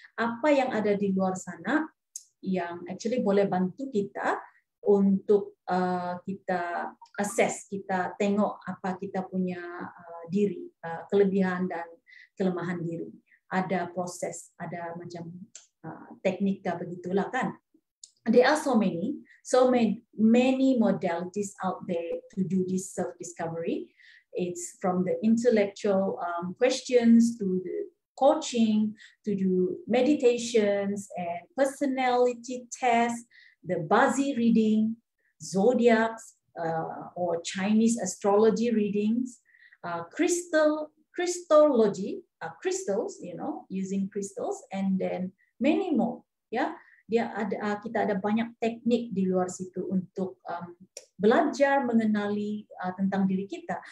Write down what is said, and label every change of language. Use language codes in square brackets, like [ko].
[ms] Apa yang ada di luar sana yang actually boleh bantu kita untuk kita assess, kita tengok apa kita punya diri, kelebihan dan kelemahan diri. Ada proses, ada macam teknik ke begitulah kan. [en] There are so many modalities out there to do this self-discovery. It's from the intellectual questions to the coaching, to do meditations and personality tests, the Bazi reading, zodiacs, or Chinese astrology readings, crystals, you know, using crystals, and then many more. Yeah, [ms] dia ada kita ada banyak teknik di luar situ untuk belajar mengenali tentang diri kita.